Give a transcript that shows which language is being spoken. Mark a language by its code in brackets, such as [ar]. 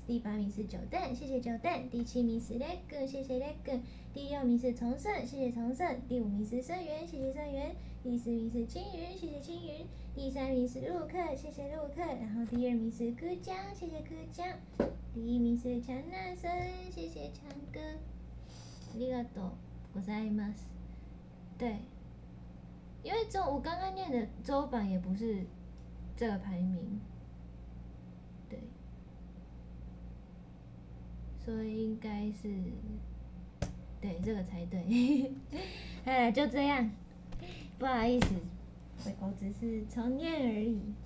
[zh] 第八名是九蛋，谢谢九蛋。第七名是 Legun， 谢谢 Legun。第六名是重盛，谢谢重盛。第五名是盛元，谢谢盛元。第四名是青云，谢谢青云。第三名是陆克，谢谢陆克。然后第二名是哭江，谢谢哭江。第一名是强纳森，谢谢强哥。 [ja] ありがとうございます。 [zh] 对，因为周我刚刚念的周榜也不是。这个排名，对，所以应该是，对，这个才对。哎，就这样，不好意思，我只是重念而已。